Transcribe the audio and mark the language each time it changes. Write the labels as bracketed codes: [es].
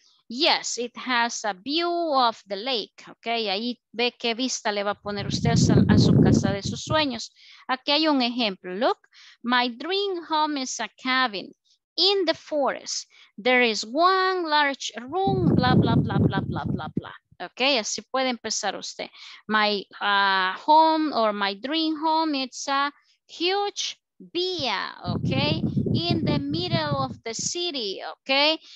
[en] Yes, it has a view of the lake. [es] Ok, ahí ve qué vista le va a poner usted a su casa de sus sueños. Aquí hay un ejemplo. [en] Look, my dream home is a cabin in the forest. There is one large room, bla, bla, bla, bla, bla, bla, bla. Ok, [es] así puede empezar usted. [en] My home or my dream home, it's a huge villa, ok, in the middle of the city, ok.